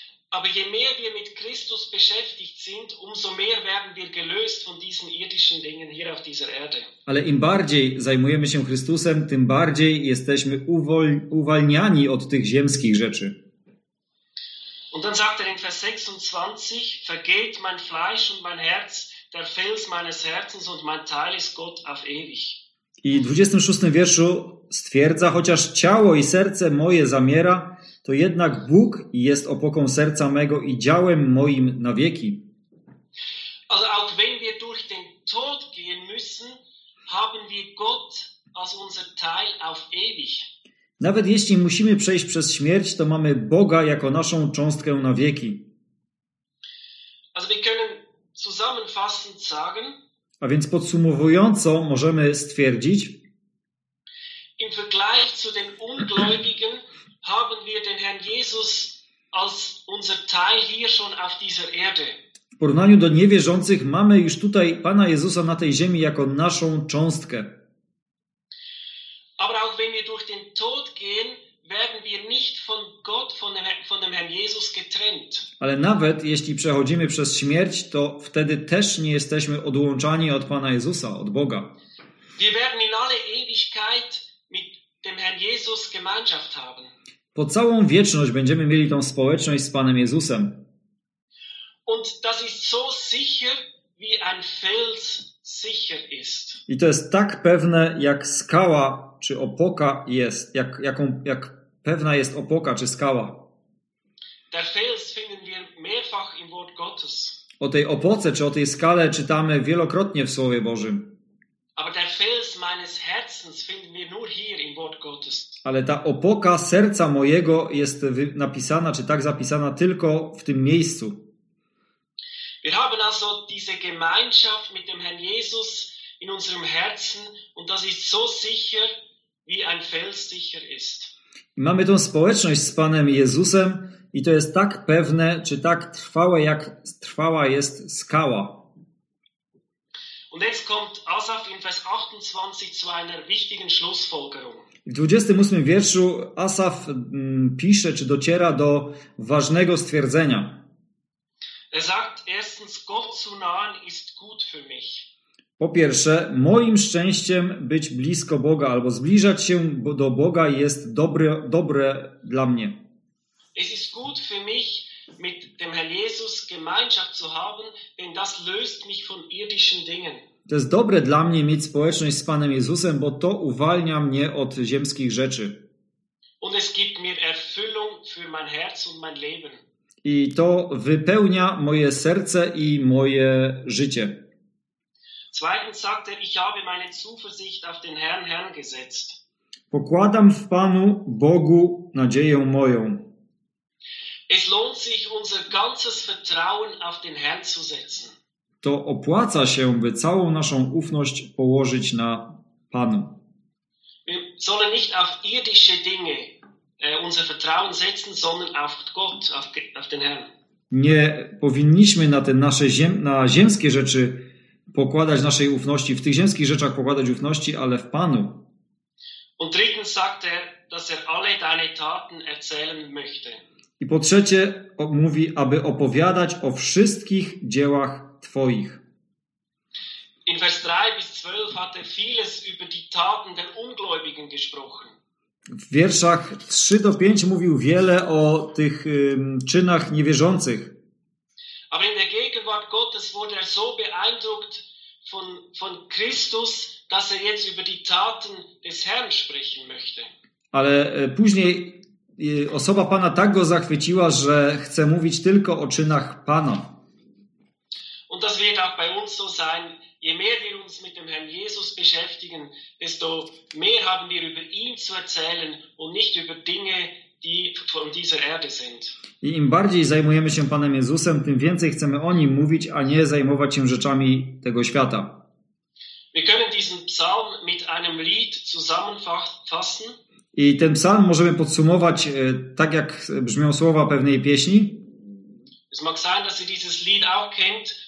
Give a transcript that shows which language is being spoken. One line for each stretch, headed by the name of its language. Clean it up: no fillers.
German: Aber je mehr wir mit Christus beschäftigt sind, umso mehr werden wir gelöst von diesen irdischen Dingen hier auf dieser Erde.
Polish: Ale im bardziej zajmujemy się Chrystusem, tym bardziej jesteśmy uwalniani od tych ziemskich rzeczy.
German: Und dann sagt er in Vers 26: Vergeht mein Fleisch und mein Herz, der Fels meines Herzens und mein Teil ist Gott auf ewig.
Polish: I w 26. wierszu stwierdza: chociaż ciało i serce moje zamiera, to jednak Bóg jest opoką serca mego i działem moim na wieki.
German: Also auch wenn wir durch den Tod gehen müssen, haben wir Gott als unser Teil auf ewig.
Polish: Nawet jeśli musimy przejść przez śmierć, to mamy Boga jako naszą cząstkę na wieki.
German: Also wir können zusammenfassend sagen,
Polish: a więc podsumowująco możemy stwierdzić:
German: im Vergleich zu den Ungläubigen haben wir den Herrn Jesus als unser Teil hier schon auf dieser Erde.
Polish: W porównaniu do niewierzących mamy już tutaj Pana Jezusa na tej ziemi jako naszą cząstkę.
German: Aber auch wenn wir durch den Tod gehen, werden wir nicht von Gott, von dem Herrn Jesus getrennt.
Polish: Ale nawet jeśli przechodzimy przez śmierć, to wtedy też nie jesteśmy odłączani od Pana Jezusa, od Boga.
German: Wir werden in alle Ewigkeit mit dem Herrn Jesus Gemeinschaft haben.
Polish: Po całą wieczność będziemy mieli tą społeczność z Panem Jezusem.
German: Und das ist so sicher, wie ein Fels sicher ist.
Polish: I to jest tak pewne, jak skała czy opoka jest, jak pewna jest opoka czy skała.
German: Der Fels finden wir mehrfach im Wort Gottes.
Polish: O tej opoce czy o tej skale czytamy wielokrotnie w Słowie Bożym.
German: Aber der Fels meines Herzens finden wir nur hier im Wort Gottes.
Polish: Ale ta opoka serca mojego jest napisana, czy tak zapisana, tylko w tym miejscu.
German: Wir haben also diese Gemeinschaft mit dem Herrn Jesus in unserem Herzen und das ist so sicher, wie ein Fels sicher ist.
Polish: Mamy tą społeczność z Panem Jezusem i to jest tak pewne, czy tak trwałe, jak trwała jest skała.
German: Und jetzt kommt Asaf in Vers 28 zu einer wichtigen Schlussfolgerung.
Polish: W 28. wierszu Asaf pisze, czy dociera do ważnego stwierdzenia.
German: Er sagt: Erstens, Gott zu nahen ist gut für mich.
Polish: Po pierwsze, moim szczęściem być blisko Boga albo zbliżać się do Boga jest dobre dla mnie.
German: Es ist gut für mich, mit dem Herrn Jesus Gemeinschaft zu haben, denn das löst mich von irdischen Dingen.
Polish: To jest dobre dla mnie mieć społeczność z Panem Jezusem, bo to uwalnia mnie od ziemskich rzeczy.
German: Und es gibt mir Erfüllung für mein Herz und mein Leben.
Polish: I to wypełnia moje serce i moje życie.
German: Zweitens sagt er, ich habe meine Zuversicht auf den Herrn, Herrn gesetzt.
Polish: Pokładam w Panu Bogu nadzieję moją.
German: Es lohnt sich, unser ganzes Vertrauen auf den Herrn zu setzen.
Polish: To opłaca się, by całą naszą ufność położyć na Panu.
German: Wir sollen nicht auf irdische Dinge unser Vertrauen setzen, sondern auf Gott, auf den Herrn.
Polish: Nie powinniśmy na te nasze na ziemskie rzeczy pokładać naszej ufności, w tych ziemskich rzeczach pokładać ufności, ale w Panu.
German: Und drittens sagt er, dass er alle deine Taten erzählen möchte.
Polish: I po trzecie mówi, aby opowiadać o wszystkich dziełach Twoich.
German: In Vers 3 bis 12 hat er vieles über die Taten der Ungläubigen gesprochen.
Polish: W wierszach 3 do 5 mówił wiele o tych czynach niewierzących.
German: Aber in der Gegenwart Gottes wurde er so beeindruckt von Christus, dass er jetzt über die Taten des Herrn sprechen möchte.
Polish: Ale później osoba Pana tak go zachwyciła, że chce mówić tylko o czynach Pana.
German: Und das wird auch bei uns so sein. Je mehr wir uns mit dem Herrn Jesus beschäftigen, desto mehr haben wir über ihn zu erzählen und nicht über Dinge, die von dieser Erde sind.
Polish: I im bardziej zajmujemy się Panem Jezusem, tym więcej chcemy o nim mówić, a nie zajmować się rzeczami tego świata.
German: Wir können diesen Psalm mit einem Lied zusammenfassen.
Polish: I ten psalm możemy podsumować tak, jak brzmią słowa pewnej pieśni.
German: Es mag sein, dass ihr dieses Lied auch kennt.